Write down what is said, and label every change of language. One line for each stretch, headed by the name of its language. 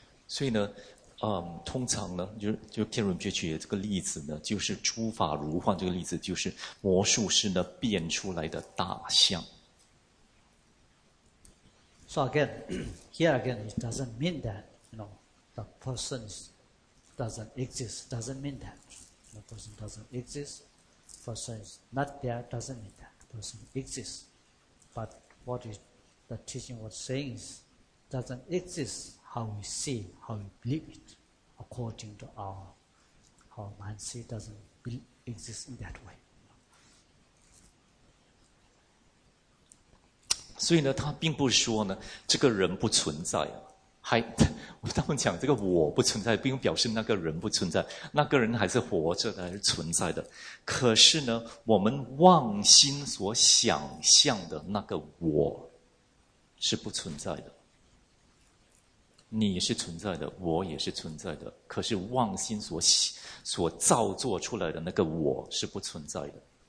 Chinese: 所以呢，通常呢，就天人觉取这个例子呢，就是诸法如幻这个例子，就是魔术师呢变出来的大象。
English: So again, here again, it doesn't mean that, you know, the person doesn't exist, doesn't mean that. The person doesn't exist, person is not there, doesn't mean that, person exists. But what is the teaching was saying is, doesn't exist how we see, how we believe it, according to our mind see, doesn't exist in that way.
Chinese: 所以呢，他并不是说呢，这个人不存在啊，还他们讲这个我不存在，并不表示那个人不存在，那个人还是活着的，还是存在的。可是呢，我们妄心所想象的那个我是不存在的，你是存在的，我也是存在的，可是妄心所造作出来的那个我是不存在的。